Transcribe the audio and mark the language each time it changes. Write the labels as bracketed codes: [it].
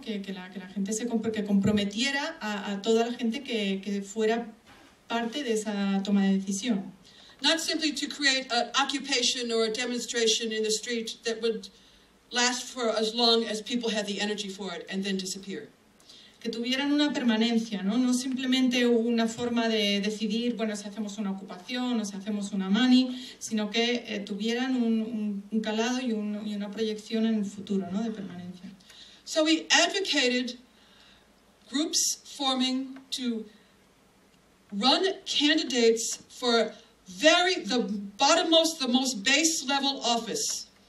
[es] Que la gente que comprometiera a toda la gente que fuera parte de esa toma de decisión. [en] Not simply to create an occupation or a demonstration in the street that would last for as long as people had the energy for it and then disappear. [es] Que tuvieran una permanencia, ¿no? No simplemente una forma de decidir, bueno, si hacemos una ocupación o si hacemos una mani, sino que tuvieran un calado y una proyección en el futuro, ¿no? De permanencia. [en] So we advocated groups forming to run candidates for the bottommost, the most base level office.